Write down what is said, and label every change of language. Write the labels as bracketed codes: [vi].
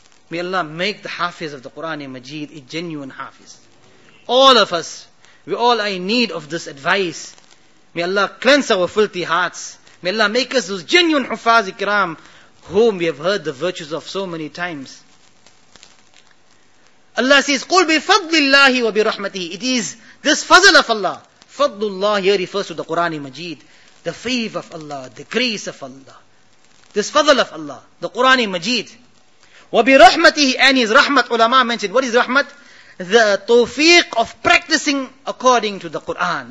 [en] May Allah make the Hafiz of the Qur'an-e-Majeed a genuine Hafiz. All of us, we all are in need of this advice. May Allah cleanse our filthy hearts. May Allah make us those genuine Huffaz-e-Kiram whom we have heard the virtues of so many times. Allah says, [ar] قُلْ بِفَضْلِ اللَّهِ وَبِرَحْمَتِهِ. [en] It is this fazl of Allah. Fadlullah here refers to the Qur'an-e-Majeed. The favor of Allah, the grace of Allah. This fazl of Allah, the Qur'an-e-Majeed. وَبِرَحْمَتِهِ and His rahmat. Ulama mentioned, what is rahmat? The tawfiq of practicing according to the Qur'an.